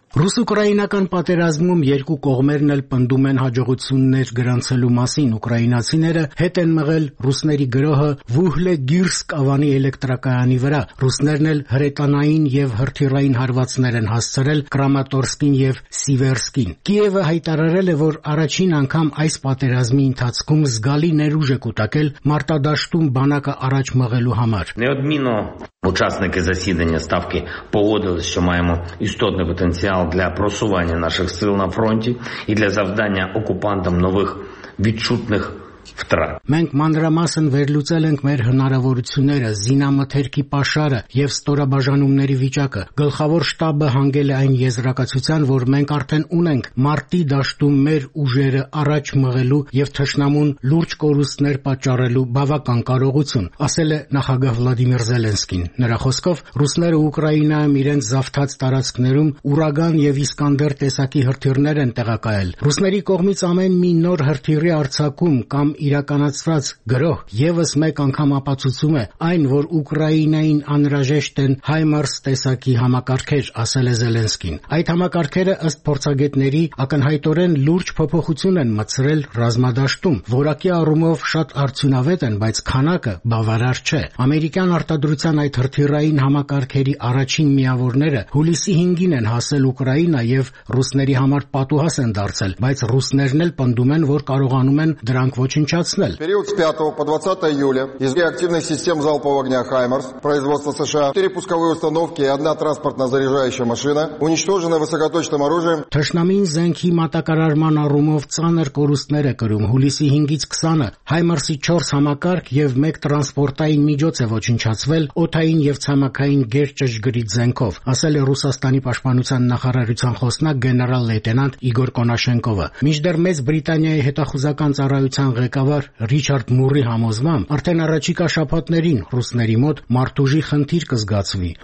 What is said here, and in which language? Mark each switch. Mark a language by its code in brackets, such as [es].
[hy] Ռուս-ուկրաինական պատերազմում երկու կողմերն էլ պնդում են հաջողություններ գրանցելու մասին։ Ուկրաինացիները հետ են մղել ռուսների գրոհը Վուհլե Գիրսկ ավանի էլեկտրակայանի վրա, ռուսներն էլ հրետանային և հրթիռային հարվածներ են հասցրել Կրամատորսկին և Սիվերսկին։ Կիևը հայտարարել է, որ առաջին անգամ այս պատերազմի ընթացքում զգալի ներուժ է կուտակել մարտադաշտում բանակը առաջ մղելու համար։ [uk] Учасники засідання ставки погодились, що маємо істотний потенціал для просування наших сил на фронті і для завдання окупантам нових відчутних втрат. [hy] Մենք մանրամասն վերլուծել ենք մեր հնարավորությունները, զինամթերքի պաշարը և ստորաբաժանումների վիճակը։ Գլխավոր շտաբը հանգել է այն եզրակացության, որ մենք արդեն ունենք մարտի դաշտում մեր ուժերը առաջ մղելու և թշնամուն լուրջ կորուստներ պատճառելու բավական կարողություն, ասել է նախագահ Վլադիմիր Զելենսկին։ Նրա խոսքով, ռուսները Ուկրաինայում իրենց զավթած տարածքներում ուրագան և Իսկանդեր տեսակի հրթիռներ են տեղակայել։ Ռուսների կողմից ամեն մի նոր հրթիռի արձակում կամ իրականացված գրող եւս մեկ անգամ ապացուցում է այն, որ Ուկրաինային անհրաժեշտ են HIMARS տեսակի համակարգեր, ասել է Զելենսկին։ Այդ համակարգերը ըստ փորձագետների ակնհայտորեն լուրջ փոփոխություն են մցրել ռազմադաշտում, որակի առումով շատ արդյունավետ են, բայց քանակը բավարար չէ։ Ամերիկյան արտադրության այդ հրթիռային համակարգերի առաջին միավորները հուլիսի 5-ին են հասել Ուկրաինա եւ ռուսների համար պատուհաս են դարձել, բայց ռուսներն էլ պնդում են, որ կարողանում են դրանք ոչնչացնել։ [ru] Период с 5 по 20 июля из реактивной системы залпового огня HIMARS производства США 4 пусковые установки и 1 транспортно-заряжающая машина уничтожены высокоточным оружием. [hy] Թշնամին զենքի մատակարարման առումով ցաներ կորուստներ է կրում հուլիսի 5-ից 20-ը։ HIMARS-ի 4 համակարգ եւ 1 տրանսպորտային միջոց է ոչնչացվել օթային եւ ցամաքային գերճշգրի զենքով, ասել է Ռուսաստանի պաշտպանության նախարարության խոսնակ գեներալ լեյտենանտ Իգոր Կոնաշենկովը։ Մինչդեռ մեծ Բրիտանիայի հետախուզական ծառայության ղեկավար Ռիչարդ Մուրի համոզմամբ արդեն առաջիկա շաբաթներին ռուսների մոտ մարտուժի խնդիր կզգացվի։